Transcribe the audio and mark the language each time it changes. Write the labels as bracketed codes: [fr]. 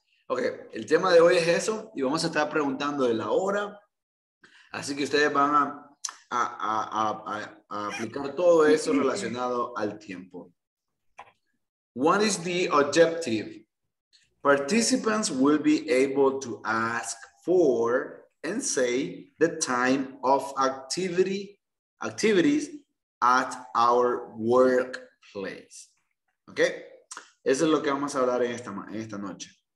[es] Okay, el tema de hoy es eso y vamos a estar preguntando de la hora. Así que ustedes van a aplicar todo eso relacionado al tiempo. [en] What is the objective? Participants will be able to ask for and say the time of activities at our workplace. Okay? [es] Eso es lo que vamos a hablar en esta noche.